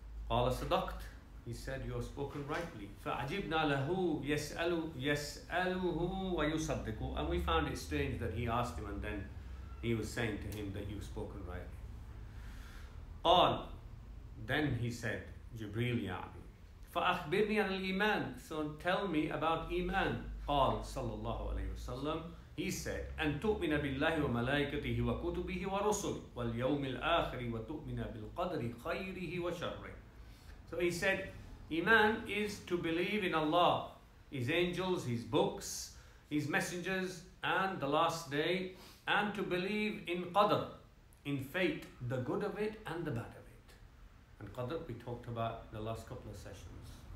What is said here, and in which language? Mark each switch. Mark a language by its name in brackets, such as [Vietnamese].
[Arabic] Qala sadaqt, [English] he said, you have spoken rightly. [Arabic] Fa'ajibna lahu yas'aluhu wa yusaddiqu, [English] and we found it strange that he asked him and then he was saying to him that you've spoken rightly. Qala, then he said, Jibreel ya'ni, [Arabic] fa'akhbirni an al-iman, [English] so tell me about iman. [Arabic] قال صلى الله عليه وسلم, [English] he said, [Arabic] أن تؤمن بالله وملائكته وكتبه ورسله واليوم الآخر وتؤمن بالقدر خيره وشره. [English] So he said, Iman is to believe in Allah, His angels, His books, His messengers, and the last day, and to believe in Qadr, in fate, the good of it and the bad of it. And Qadr, we talked about in the last couple of sessions.